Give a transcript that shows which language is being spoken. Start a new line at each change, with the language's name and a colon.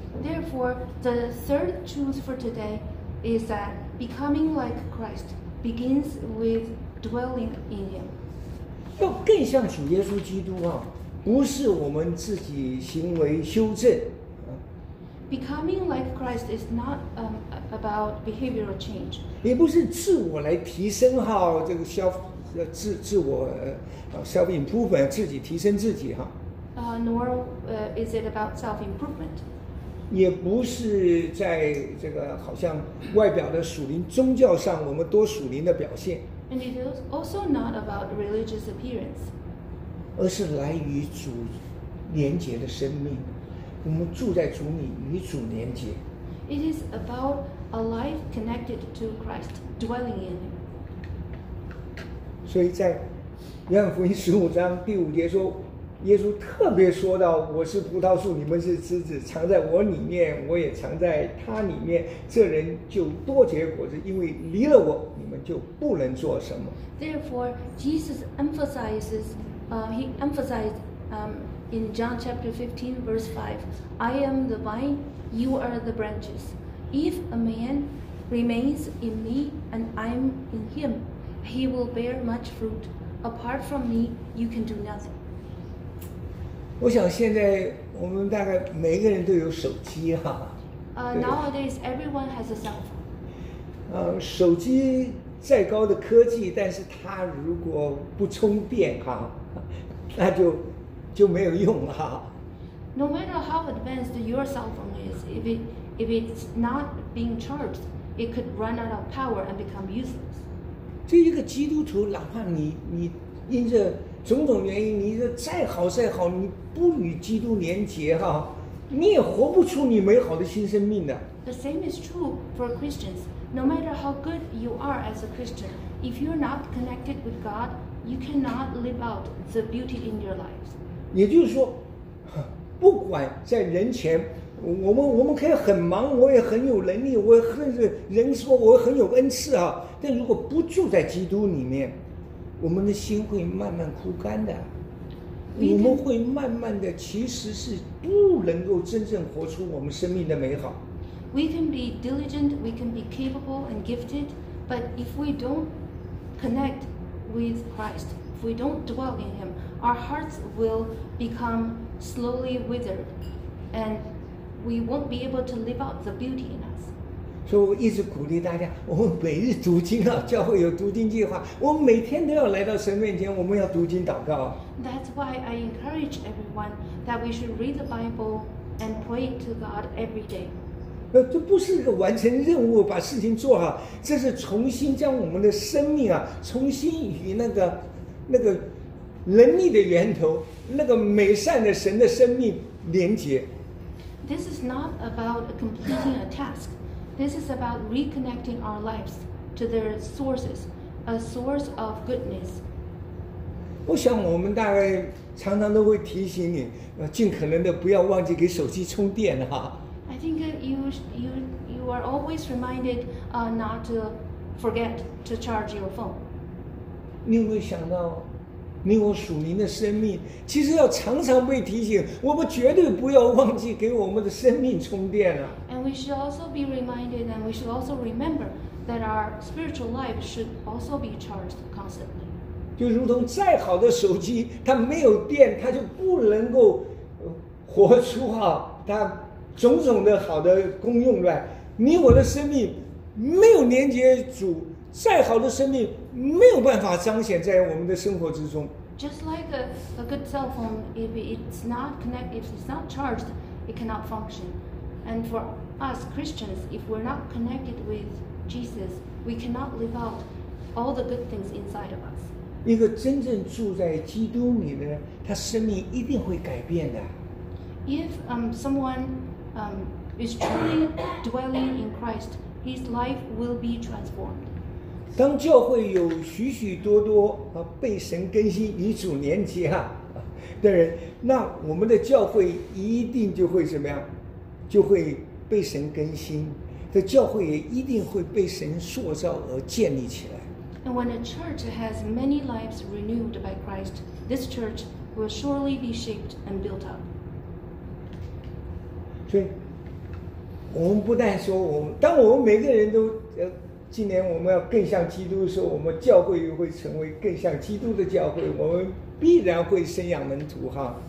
English: Therefore, the third truth for today is that becoming like Christ begins with dwelling in him.
Chinese: 要更像主耶稣基督啊，不是我们自己行为修正。
English: Becoming like Christ is not about behavioral change.
Chinese: 也不是自我来提升哈，这个
English: self improvement，
Chinese: 自己提升自己哈。
English: Nor is it about self improvement.
Chinese: 也不是在这个好像外表的属灵宗教上我们多属灵的表现。
English: And it is also not about religious appearance.
Chinese: 而是来与主连结的生命，我们住在主里与主连结。
English: It is about a life connected to Christ, dwelling in him.
Chinese: 所以在约翰福音十五章第五节说，耶稣特别说到，我是葡萄树，你们是枝子，藏在我里面，我也藏在他里面，这人就多结果子，因为离了我，你们就不能做什么。
English: Therefore Jesus emphasizes he emphasized in John chapter 15 verse 5, I am the vine, you are the branches. If a man remains in me and I'm in him, he will bear much fruit. Apart from me, you can do nothing.
Chinese: 我想现在我们大概每个人都有手机哈。
English: Nowadays everyone has a cell phone.
Chinese: 手机再高的科技，但是它如果不充电哈，那就没有用了。
English: No matter how advanced your cell phone is, if it's not being charged, it could run out of power and become useless.
Chinese: 这一个基督徒，哪怕你因着种种原因，你的再好再好，你不与基督连结哈，你也活不出你美好的新生命的。
English: The same is true for Christians. No matter how good you are as a Christian, if you're not connected with God, you cannot live out the beauty in your lives.
Chinese: 也就是说，不管在人前，我们可以很忙，我也很有能力，我甚至人说我很有恩赐啊。但如果不住在基督里面，我们的心会慢慢枯干的。我们会慢慢的，其实是不能够真正活出我们生命的美好。
English: We can be diligent, we can be capable and gifted, but if we don't connect with Christ. If we don't dwell in him, our hearts will become slowly withered, and we won't be able to live out the beauty in us. So,
Chinese: 我一直鼓励大家，我们每日读经啊，教会有读经计划，我们每天都要来到神面前，我们要读经祷告。
English: That's why I encourage everyone that we should read the Bible and pray to God every day.
Chinese: 这不是一个完成任务，把事情做好，这是重新将我们的生命啊，重新与那个能力的源头，那个美善的神的生命连接。
English: This is not about completing a task. This is about reconnecting our lives to their sources, a source of goodness.
Chinese: 我想我们大概常常都会提醒你，尽可能的不要忘记给手机充电哈。
English: I think you are always reminded not to forget to charge your phone.
Chinese: 你有没有想到，你我属灵的生命其实要常常被提醒，我们绝对不要忘记给我们的生命充电了。
English: And we should also be reminded, and we should also remember that our spiritual life should also be charged constantly.
Chinese: 就如同再好的手机，它没有电，它就不能够活出哈它种种的好的功用来。你我的生命没有连接主。再好的生命没有办法彰显在我们的生活之中。
English: Just like a good cell phone, if it's not connected, if it's not charged, it cannot function. And for us Christians, if we're not connected with Jesus, we cannot live out all the good things inside of us.
Chinese: 一个真正住在基督里的人，他生命一定会改变的。
English: If someone is truly dwelling in Christ, his life will be transformed.
Chinese: 当教会有许许多多被神更新与主连接啊的人，那我们的教会一定就会怎么样，就会被神更新，这教会也一定会被神塑造而建立起来。
English: And when a church has many lives renewed by Christ, this church will surely be shaped and built up.
Chinese: 所以我们不但说我们，当我们每个人都今年我们要更像基督的时候，我们教会又会成为更像基督的教会，我们必然会生养门徒哈。